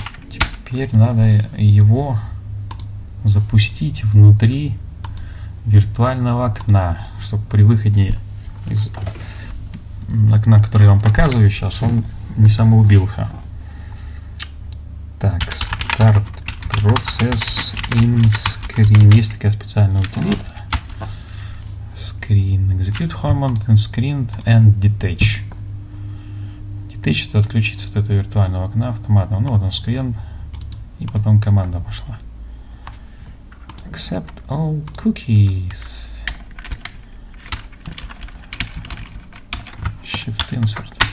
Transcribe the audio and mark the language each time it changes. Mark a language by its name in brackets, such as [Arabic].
[Russian] Теперь надо его запустить внутри виртуального окна, чтобы при выходе из окна, которое я вам показываю сейчас, он не самоубился. [English] Так, start process in screen. [Russian] Есть такая специальная утилита. [English] Screen execute command and screen and detach. [Russian] Detach — это отключиться от этого виртуального окна автоматом. Ну вот он screen, и потом команда пошла. [English] Accept all cookies. Shift insert.